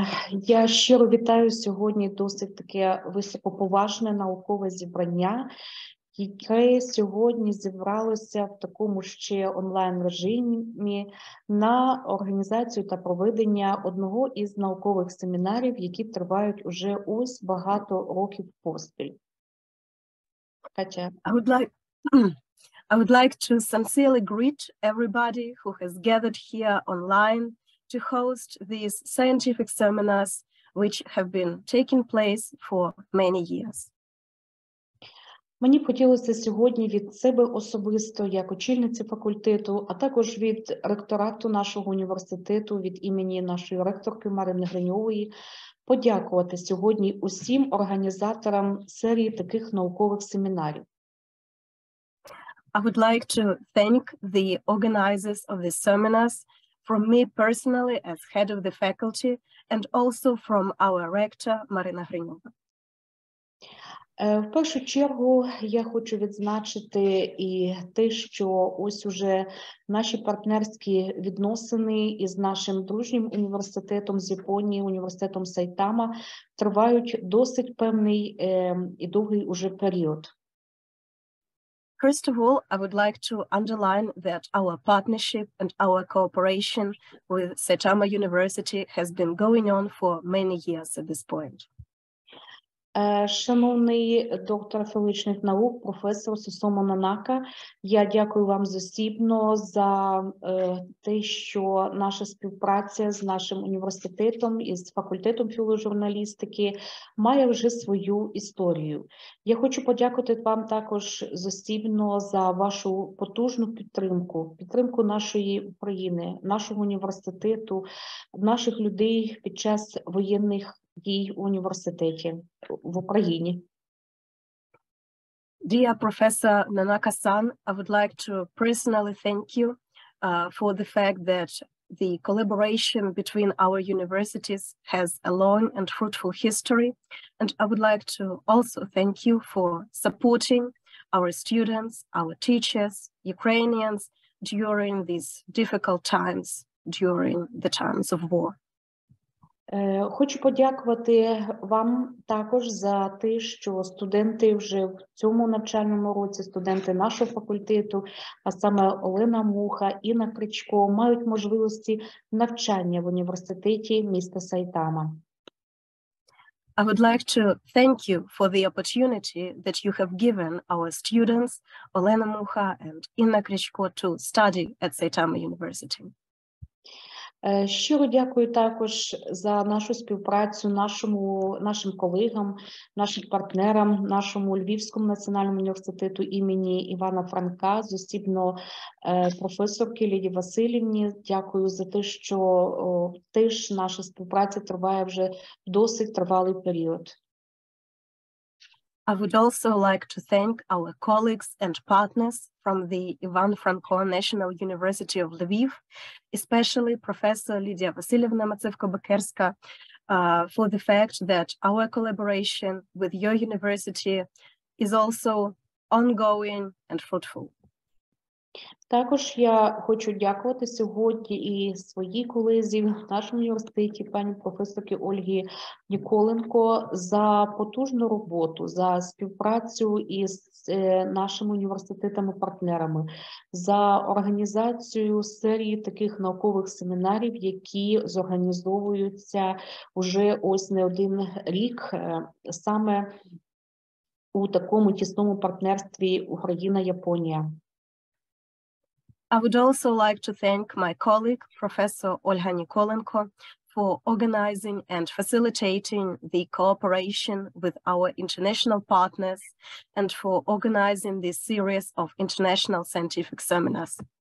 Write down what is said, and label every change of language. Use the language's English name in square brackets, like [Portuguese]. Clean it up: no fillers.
[Ukrainian] Я щиро вітаю сьогодні досить таке високоповажне наукове зібрання, яке сьогодні зібралося в такому ще онлайн-режимі на організацію та проведення одного із наукових семінарів, які тривають уже ось багато років поспіль. Катя. [English] I would like to sincerely greet everybody who has gathered here online to host these scientific seminars, which have been taking place for many years. [Ukrainian] Мені хотілося сьогодні від себе особисто, як очільниці факультету, а також від ректорату нашого університету, від імені нашої ректорки Марини Гриньової, подякувати сьогодні усім організаторам серії таких наукових семінарів. [English] I would like to thank the organizers of the seminars from me personally as head of the faculty and also from our rector Марина Гриньова. [Ukrainian] В першу чергу я хочу відзначити і те, що ось уже наші партнерські відносини із нашим дружнім університетом з Японії, університетом Сайтама, тривають досить певний і довгий уже період. [English] First of all, I would like to underline that our partnership and our cooperation with Сайтама University has been going on for many years at this point. [Ukrainian] Шановний доктор філологічних наук, професор Сусумо Нанака, я дякую вам зусібно за те, що наша співпраця з нашим університетом і з факультетом філожурналістики має вже свою історію. Я хочу подякувати вам також зусібно за вашу потужну підтримку, підтримку нашої України, нашого університету, наших людей під час воєнних дій в університеті. В Україні. [English] Dear Professor Nanaka-san, I would like to personally thank you for the fact that the collaboration between our universities has a long and fruitful history, and I would like to also thank you for supporting our students, our teachers, Ukrainians during these difficult times, during the times of war. [Ukrainian] Хочу подякувати вам також за те, що студенти вже в цьому навчальному році, студенти нашого факультету, а саме Олена Муха, Інна Кричко, мають можливості навчання в університеті міста Сайтама. [English] I would like to thank you for the opportunity that you have given our students, Олена Муха and Інна Кричко, to study at Сайтама University. [Ukrainian] Щиро дякую також за нашу співпрацю нашим колегам, нашим партнерам, нашому Львівському національному університету імені Івана Франка, зосібно професорки Ліді Васильівні. Дякую за те, що теж наша співпраця триває вже досить тривалий період. [English] I would also like to thank our colleagues and partners from the Ivan Franko National University of Lviv, especially Professor Lidia Vasilievna Matsevko-Bakerska, for the fact that our collaboration with your university is also ongoing and fruitful. [Ukrainian] Також я хочу дякувати сьогодні і своїй колезі в нашому університеті, пані професорки Ольги Ніколенко, за потужну роботу, за співпрацю із нашими університетами-партнерами, за організацію серії таких наукових семінарів, які зорганізовуються вже ось не один рік, саме у такому тісному партнерстві Україна-Японія. [English] I would also like to thank my colleague, Professor Olga Nikolenko, for organizing and facilitating the cooperation with our international partners and for organizing this series of international scientific seminars.